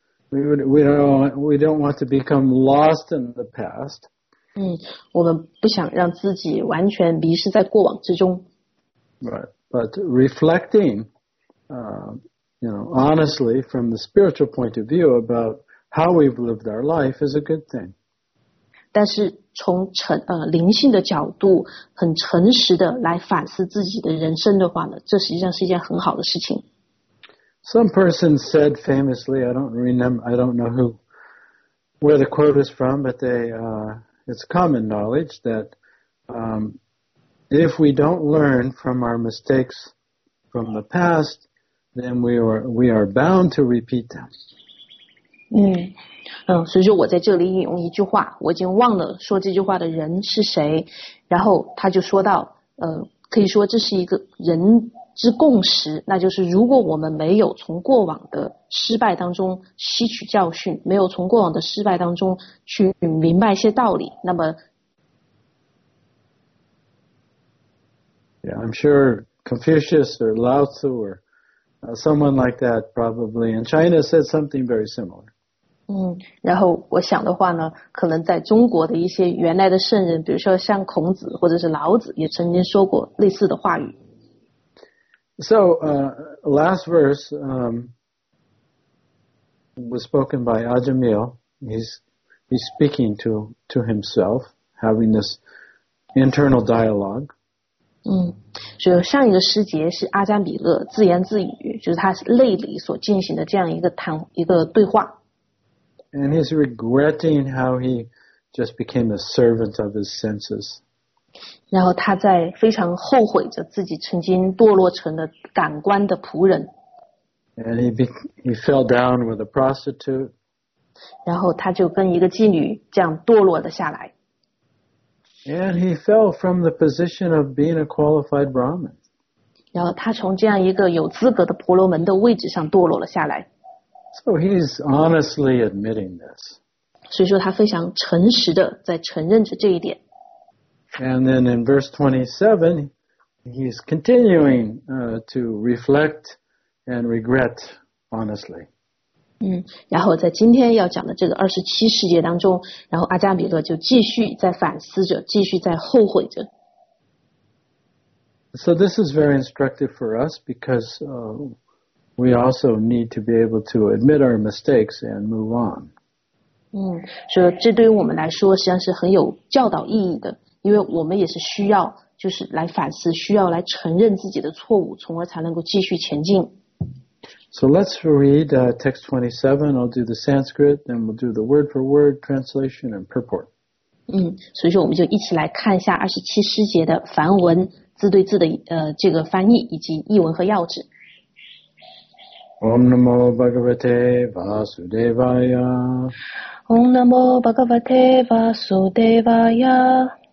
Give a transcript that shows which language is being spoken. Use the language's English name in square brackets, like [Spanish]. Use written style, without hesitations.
[English] We don't want to become lost in the past. [Chinese] 我们不想让自己完全迷失在过往之中。 [English] Right, but reflecting, honestly from the spiritual point of view about how we've lived our life is a good thing. [Chinese] 但是从灵性的角度很诚实的来反思自己的人生的话呢，这实际上是一件很好的事情。 [English] Some person said famously, I don't know where the quote is from, but it's common knowledge that if we don't learn from our mistakes from the past, then we are bound to repeat them. [Chinese] 所以说我在这里引用一句话，我已经忘了说这句话的人是谁，然后他就说到可以说这是一个人之共识，那就是如果我们没有从过往的失败当中吸取教训，没有从过往的失败当中去明白一些道理，那么 [English] Yeah, I'm sure Confucius or Lao Tzu or someone like that probably in China said something very similar. [Chinese] 然后我想的话呢，可能在中国的一些原来的圣人，比如说像孔子或者是老子，也曾经说过类似的话语。 [English] So, last verse, was spoken by Ajamil. He's speaking to himself, having this internal dialogue. [Chinese] 所以上一个诗节是阿加米勒自言自语，就是他内里所进行的这样一个对话。 [English] And he's regretting how he just became a servant of his senses. [Chinese] 然后他在非常后悔着自己曾经堕落成了感官的仆人。 [English] And he fell down with a prostitute. [Chinese] 然后他就跟一个妓女这样堕落了下来。 [English] And he fell from the position of being a qualified Brahmin. [Chinese] 然后他从这样一个有资格的婆罗门的位置上堕落了下来。 [English] So he's honestly admitting this. [Chinese] 所以说他非常诚实的在承认着这一点。 [English] And then in verse 27, he's continuing to reflect and regret honestly. [Chinese] 嗯，然后在今天要讲的这个二十七世界当中，然后阿加彼得就继续在反思着，继续在后悔着。 [English] So this is very instructive for us because we also need to be able to admit our mistakes and move on. [Chinese] 嗯，所以这对于我们来说实际上是很有教导意义的，因为我们也是需要就是来反思，需要来承认自己的错误，从而才能够继续前进。 [English] So let's read text 27. I'll do the Sanskrit, then we'll do the word for word translation and purport. [Chinese] 嗯，所以说我们就一起来看一下二十七师节的梵文。字对字的这个翻译以及译文和要旨。 [Sanskrit] Om namo bhagavate vasudevaya. Om namo bhagavate vasudevaya.